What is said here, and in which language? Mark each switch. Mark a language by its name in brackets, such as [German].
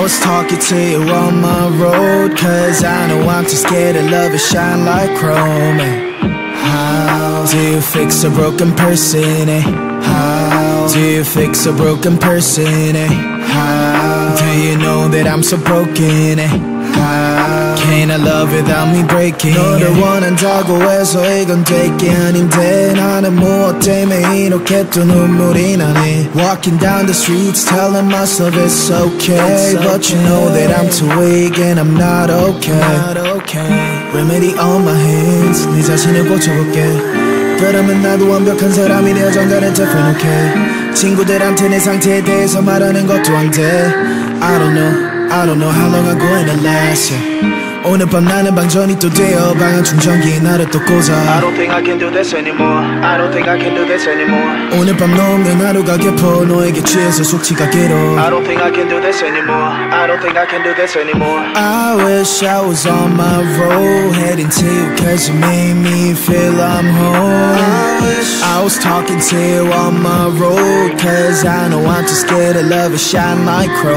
[English] was talking to you on my road, cause I know I'm too scared of love and shine like chrome. Do you fix a broken person, eh? How? Do you fix a broken person, eh? How? Do you know that I'm so broken, eh? How? Can I love without me breaking? [Korean] 너를 원한다고 해서 이건 되게 아닌데 나는 무엇 때문에 이렇게 또 눈물이 나네. [English] Walking down the streets telling myself it's okay, it's okay. But you know that I'm too weak and I'm not okay, not okay. Remedy on my hands, [Korean] 네 자신을 고쳐볼게. 그러면 나도 완벽한 사람이 되어 정단을 덮어 놓게. 친구들한테 내 상태에 대해서 말하는 것도 안 돼. [English] I don't know how long I'm gonna last, yeah. [Korean] 오늘 밤 나는 방전이 또 되어 방안 충전기 나를 또 꽂아. [English] I don't think I can do this anymore, I don't think I can do this anymore. [Korean] 오늘 밤 넘는 하루가 깊어 너에게 취해서 숙취가 길어. [English] I don't think I can do this anymore, I don't think I can do this anymore. I wish I was on my road, heading to you cause you made me feel I'm home. I was talking to you on my road, cause I know I'm too scared of love and shine like chrome.